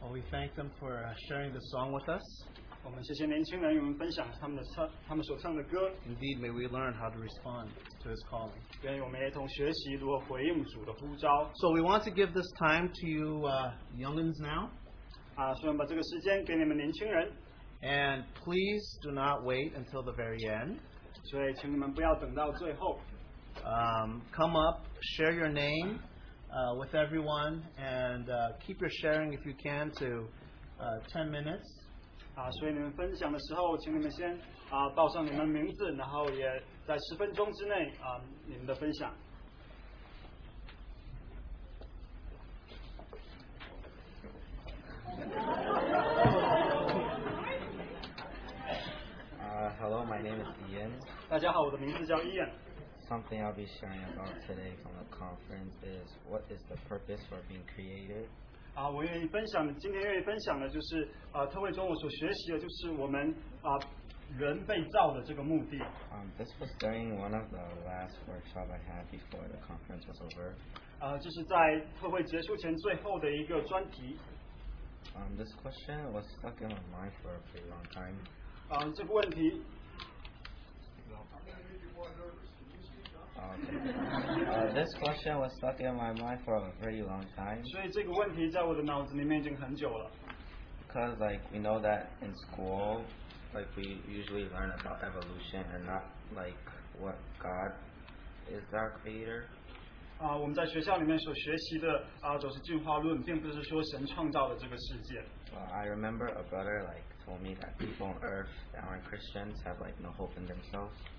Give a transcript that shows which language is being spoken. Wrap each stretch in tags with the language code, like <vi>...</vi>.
<en>Thank them for sharing the song with us.</en> <zh>我们谢谢年轻人与我们分享他们所唱的歌。</zh> <en>Indeed, may we learn how to respond to His calling.</en> <zh>愿我们一同学习如何回应主的呼召。</zh> <en>So we want to give this time to you youngins now.</en> <zh>所以我们把这个时间给你们年轻人。</zh> <en>And please do not wait until the very end.</en> <zh>所以请你们不要等到最后。</zh> <en>Come up, share your name. With everyone, and keep your sharing if you can to 10 minutes.</en> <zh>所以你们分享的时候，请你们先报上你们名字， 然后也在10分钟之内 你们的分享。</zh> <en>Hello, my name is Ian.</en> <zh>大家好，我的名字叫Ian。</zh> <en>Something I'll be sharing about today from the conference is what is the purpose for being created?</en> <zh>我愿意分享的，今天愿意分享的就是，特会中我所学习的就是我们人被造的这个目的。</zh> <en>This was during one of the last workshops I had before the conference was over.</en> <zh>这是在特会结束前最后的一个专题。</zh> <en>This question was stuck in my mind for a pretty long time.</en> <zh>这个问题。</zh> <en>This question was stuck in my mind for a very long time.</en> <zh>所以这个问题在我的脑子里面已经很久了。</zh> <en>Because like we know that in school, like we usually learn about evolution and not like what God is our creator.</en> <zh>我们在学校里面所学习的都是进化论，并不是说神创造的这个世界。</zh> <en>I remember a brother like told me that people on Earth that aren't Christians have like no hope in themselves.</en>